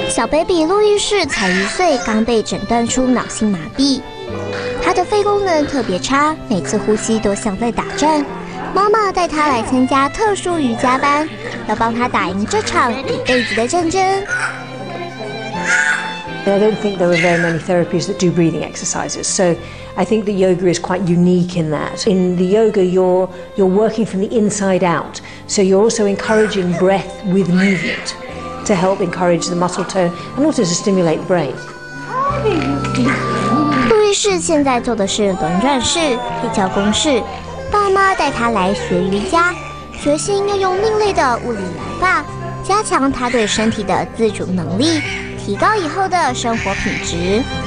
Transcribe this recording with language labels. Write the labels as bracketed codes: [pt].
[zh] 小 baby 路易士才一岁，刚被诊断出脑性麻痹。他的肺功能特别差，每次呼吸都像在打战。妈妈带他来参加特殊瑜伽班，要帮他打赢这场一辈子的战争。 [en] I don't think there are very many therapies that do breathing exercises. So I think the yoga is quite unique in that. In the yoga, you're working from the inside out. So you're also encouraging breath with movement to help encourage the muscle tone and also to stimulate the brain. [zh] 路易士现在做的是轮转式、立交公式。爸妈带他来学瑜伽，决心要用另类的物理疗法，加强他对身体的自主能力。提高以后的生活品质。